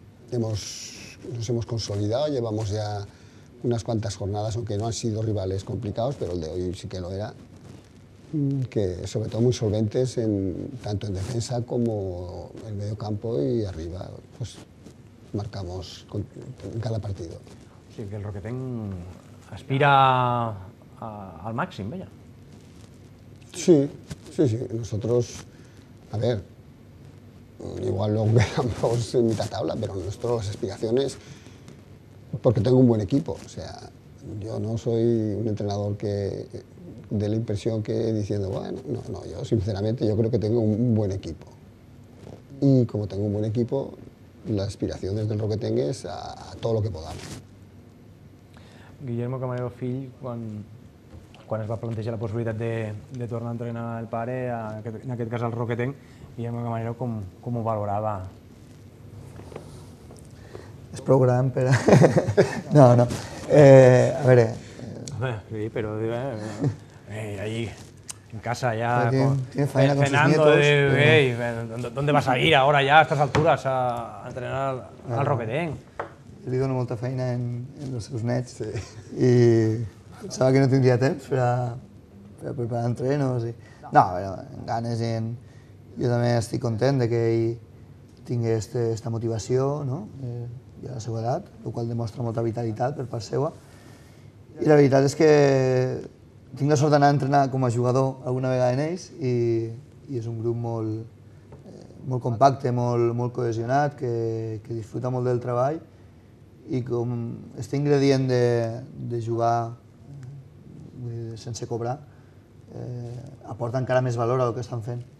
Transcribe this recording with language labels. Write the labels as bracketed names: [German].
[Spanish] Nos hemos consolidado, llevamos ya unas cuantas jornadas, aunque no han sido rivales complicados, pero el de hoy sí que lo era, que sobre todo muy solventes tanto en defensa como en medio campo y arriba, pues marcamos en cada partido. [Catalan] O sigui que el Roquetenc aspira al màxim, vaja. [Spanish] Sí, sí, sí. Nosotros, a ver, igual lo veamos en mitad tabla, pero nuestras aspiraciones, porque tengo un buen equipo, o sea, yo no soy un entrenador que dé la impresión que diciendo, bueno, no, yo sinceramente yo creo que tengo un buen equipo. Y como tengo un buen equipo, la aspiración desde el Roquetenc es a todo lo que podamos. [Catalan] Guillermo Camarero Fill, quan es va plantejar la possibilitat de tornar a entrenar el pare, en aquest cas el Roquetenc, Guillermo Camarero, com ho valorava? És prou gran per a... No. A veure... [Spanish] Sí, però... ahí, en casa, ya... Tiene faena con sus nietos. ¿Dónde vas a ir ahora ya a estas alturas a entrenar al Roquetenc? [Catalan] Li dono molta feina en els seus nets. I pensava que no tindria temps per a preparar entrenos. No, però en ganes i en... Jo també estic content que ell tingui aquesta motivació, no? I a la seva edat, el qual demostra molta vitalitat per part seva. I la veritat és que tinc la sort d'anar a entrenar com a jugador alguna vegada en ells i és un grup molt compacte, molt cohesionat, que disfruta molt del treball i com aquest ingredient de jugar sense cobrar aporta encara més valor al que estan fent.